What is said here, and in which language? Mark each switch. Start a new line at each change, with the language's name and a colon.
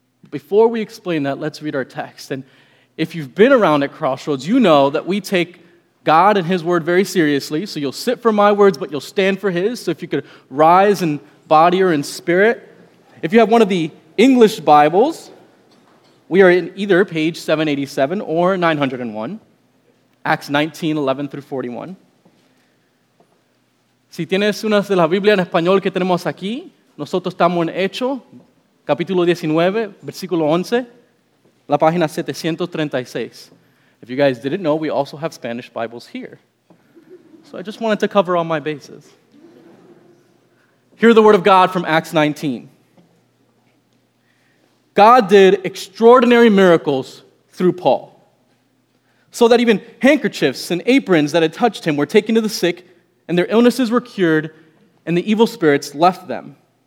English: Before we explain that, let's read our text. And if you've been around at Crossroads, you know that we take God and his word very seriously. So you'll sit for my words, but you'll stand for his. So if you could rise in body or in spirit. If you have one of the English Bibles, we are in either page 787 or 901. Acts 19, 11 through 41.
Spanish: Si tienes una de las Biblias en español que tenemos aquí, nosotros estamos en Hechos, capítulo 19, versículo 11, la página 736.
English: If you guys didn't know, we also have Spanish Bibles here. So I just wanted to cover all my bases. Hear the word of God from Acts 19. God did extraordinary miracles through Paul, so that even handkerchiefs and aprons that had touched him were taken to the sick, and their illnesses were cured, and the evil spirits left them.